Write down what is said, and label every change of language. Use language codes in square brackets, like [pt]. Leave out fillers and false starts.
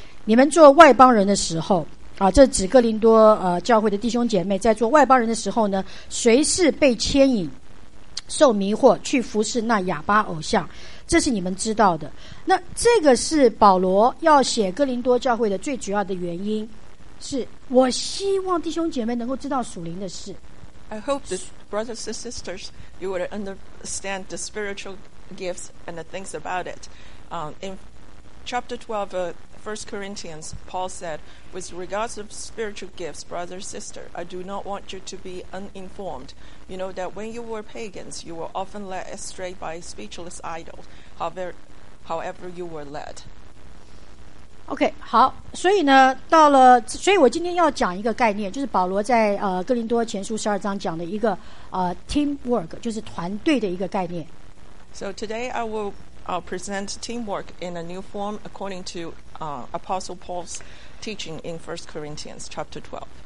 [zh] 你们做外邦人的时候啊，这指哥林多教会的弟兄姐妹，在做外邦人的时候呢，随时被牵引受迷惑去服侍那亚巴偶像，这是你们知道的。那这个是保罗要写哥林多教会的最主要的原因，是我希望弟兄姐妹能够知道属灵的事。 [en] I hope the brothers and sisters you would understand the spiritual gifts and the things about it. In chapter 12 First Corinthians, Paul said, with regards to spiritual gifts, brother, sister, I do not want you to be uninformed. You know that when you were pagans, you were often led astray by speechless idols, however you were led. [zh] OK, 好，所以呢，到了，所以我今天要讲一个概念，就是保罗在哥林多前书十二章讲的一个teamwork, 就是团队的一个概念。 [en] So today I'll present teamwork in a new form according to Apostle Paul's teaching in 1 Corinthians chapter 12.